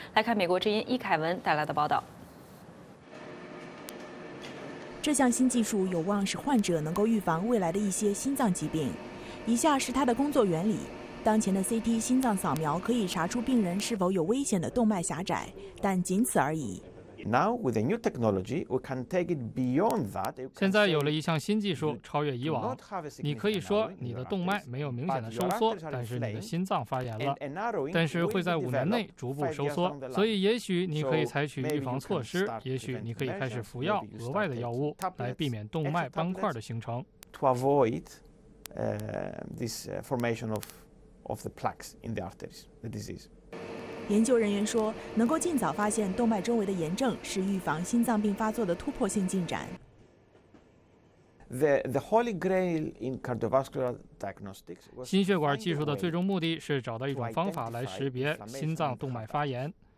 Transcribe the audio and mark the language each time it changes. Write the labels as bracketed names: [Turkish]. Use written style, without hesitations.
[Chinese] 来看美国之音伊凯文带来的报道。这项新技术有望使患者能够预防未来的一些心脏疾病。以下是它的工作原理。当前的 CT 心脏扫描可以查出病人是否有危险的动脉狭窄，但仅此而已。 [English] Now with a new technology, we can take it beyond that. [Chinese] 现在有了一项新技术，超越以往，你可以说你的动脉没有明显的收缩，但是你的心脏发炎了，但是会在5年内逐步收缩。所以也许你可以采取预防措施，也许你可以开始服药额外的药物来避免动脉斑块的形成。 [English] To avoid this formation of the plaques in the arteries, the disease. [Chinese] 研究人员说，能够尽早发现动脉周围的炎症是预防心脏病发作的突破性进展。 [English] The holy grail in cardiovascular diagnostics. [Chinese] 心血管技术的最终目的是找到一种方法来识别心脏动脉发炎。